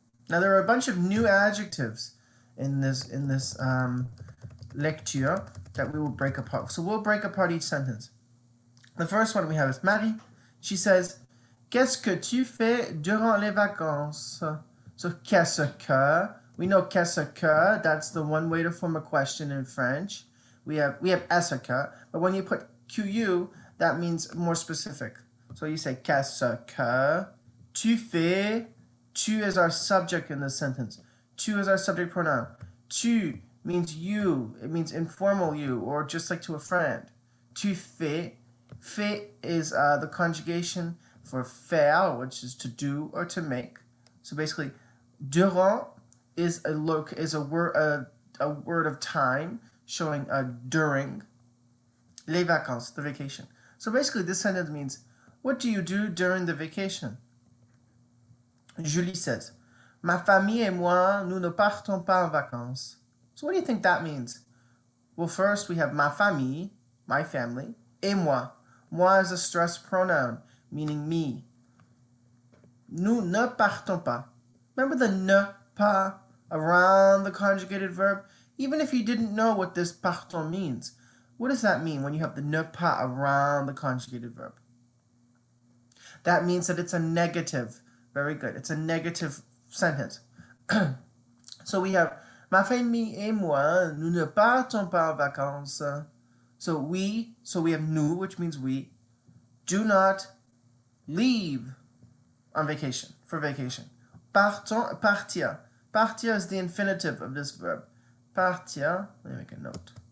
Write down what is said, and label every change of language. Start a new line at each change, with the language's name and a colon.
English: Now, there are a bunch of new adjectives in this lecture that we will break apart. So we'll break apart each sentence. The first one we have is Marie. She says,
French: qu'est-ce que tu fais durant les vacances?
English: So
French: qu'est-ce que?
English: We know qu'est-ce que, that's the one way to form a question in French. We have est-ce que, but when you put QU, that means more specific. So you say
French: qu'est-ce que tu fais?
English: Tu is our subject in the sentence. Tu is our subject pronoun. Tu means you, it means informal you, or just like to a friend. Tu fais. Fais is the conjugation for faire, which is to do or to make. So basically, durant is a look is a word of time showing during les vacances, the vacation. So basically, this sentence means, what do you do during the vacation? Julie says,
French: ma famille et moi, nous ne partons pas en vacances.
English: So what do you think that means? Well, first we have
French: ma famille,
English: my family,
French: et moi.
English: Moi is a stressed pronoun, meaning me.
French: Nous ne partons pas.
English: Remember the ne pas around the conjugated verb? Even if you didn't know what this partons means, what does that mean when you have the ne pas around the conjugated verb? That means that it's a negative. Very good. It's a negative sentence. So we have
French: ma famille et moi, nous ne partons pas en vacances.
English: So we have nous, which means we, do not Leave on vacation, for vacation. Partir. Partir is the infinitive of this verb. Partir. Let me make a note.